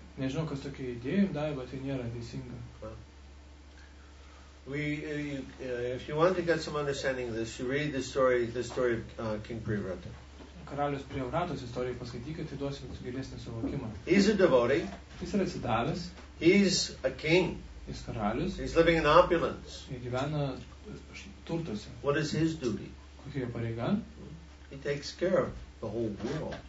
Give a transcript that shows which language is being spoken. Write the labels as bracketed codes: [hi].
[lt] Nežinau, kas tokia idėja jums davė, bet tai nėra teisinga. [en] We, if you want to get some understanding of this, you read the story of King Priyavrata. [lt] Karalius Priyavratos istoriją paskaitykite, tai duosim gilesnį suvokimą. [en] He's a devotee. [lt] Jis yra atsidavęs. [en] He's a king. [lt] Jis karalius. [en] He's living in opulence. [lt] Jis gyvena turtuose. [en] What is his duty? [lt] Kokia jo pareiga? [en] He takes care of the whole world.